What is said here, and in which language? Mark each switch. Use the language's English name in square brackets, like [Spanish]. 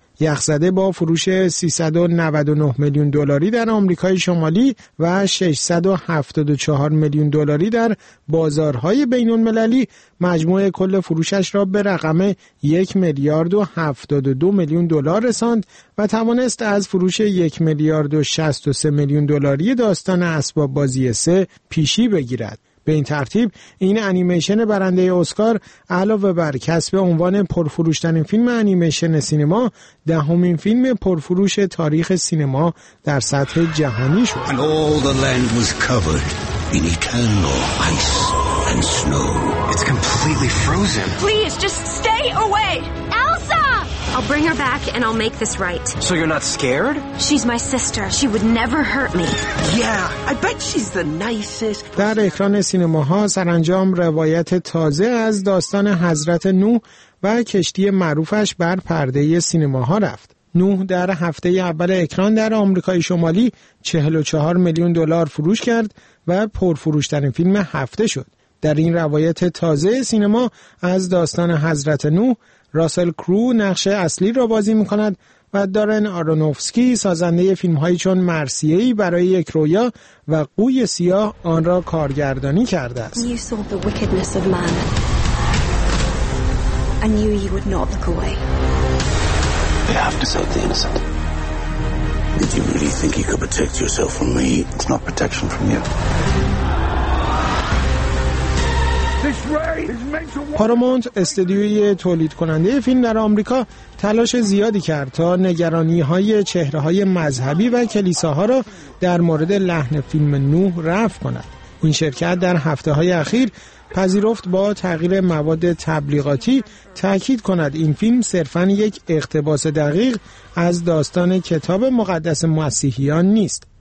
[Persian] یخزده با فروش 399 میلیون دلاری در آمریکای شمالی و 674 میلیون دلاری در بازارهای بین المللی، مجموع کل فروشش را به رقم 1 میلیارد و 72 میلیون دلار رساند و توانست از فروش 1 میلیارد و 63 میلیون دلاری داستان اسباب بازی 3 پیشی بگیرد. به این ترتیب این انیمیشن برنده اسکار علاوه بر کسب عنوان پرفروشترین فیلم انیمیشن سینما، دهمین فیلم پرفروش تاریخ سینما در سطح جهانی شد. [English] And all the land was covered in eternal ice and snow. It's completely frozen. Please just stay away. Elsa! I'll bring her back and I'll make this right. So you're not scared? She's my sister. She would never hurt me. Yeah, I bet she's the nicest. [Persian] در اکران سینماها سرانجام روایت تازه از داستان حضرت نوح و کشتی معروفش بر پرده سینماها رفت. نوح در هفته اول اکران در آمریکای شمالی 44 میلیون دلار فروش کرد و پرفروشترین فیلم هفته شد. در این روایت تازه سینما از داستان حضرت نوح، راسل کرو نقش اصلی را بازی می‌کند و دارن آرونوفسکی سازنده فیلم‌هایی چون مرثیه‌ای برای یک رویا و قوی سیاه آن را کارگردانی کرده است. [English] You saw the wickedness of man. I knew you would not look away. They have to save the innocent. Did you really think you could protect yourself from me? It's not protection from you. [Persian] پارامونت، استدیوی تولید کننده فیلم در آمریکا، تلاش زیادی کرد تا نگرانی‌های چهره‌های مذهبی و کلیساها را در مورد لحن فیلم نوح رفع کند. این شرکت در هفته‌های اخیر پذیرفت با تغییر مواد تبلیغاتی تأکید کند این فیلم صرفاً یک اقتباس دقیق از داستان کتاب مقدس مسیحیان نیست.